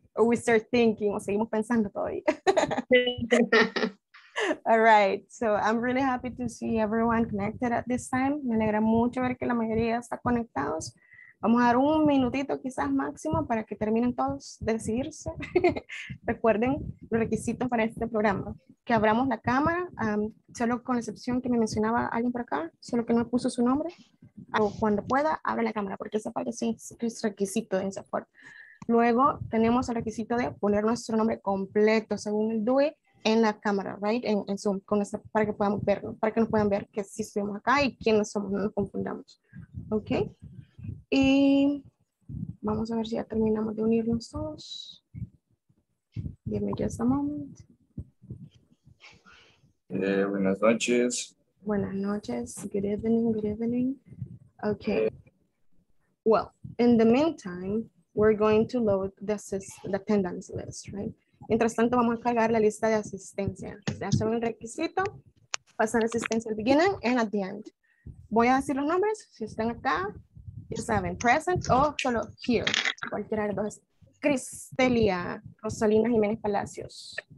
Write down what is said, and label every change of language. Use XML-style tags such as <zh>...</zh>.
<en>Or we start thinking,</en> <es>o seguimos pensando todavía.</es> <en>All right, so I'm really happy to see everyone connected at this time.</en> <es>Me alegra mucho ver que la mayoría está conectados. Vamos a dar un minutito quizás máximo para que terminen todos de decidirse. Recuerden los requisitos para este programa. Que abramos la cámara, solo con la excepción que me mencionaba alguien por acá, solo que no me puso su nombre. O cuando pueda, abre la cámara, porque esa parte sí es requisito de INSAFORP. Luego tenemos el requisito de poner nuestro nombre completo según el DUI en la cámara, right? En Zoom, con esa, para que podamos verlo, para que nos puedan ver que sí estuvimos acá y quiénes somos, no nos confundamos. Ok. Y vamos a ver si ya terminamos de unirnos todos.</es> <en>Give me just a moment.</en> <es>Buenas noches. Buenas noches.</es> <en>Good evening. Good evening. Okay. Well, in the meantime, we're going to load the attendance list, right?</en> <es>Mientras tanto, vamos a cargar la lista de asistencia. De hacer un requisito, pasar asistencia al</es> <en>beginning and at the end.</en> <es>Voy a decir los nombres si están acá. Ya saben, present o solo here. Cualquiera de dos. Cristelia Rosalina Jiménez Palacios.</es>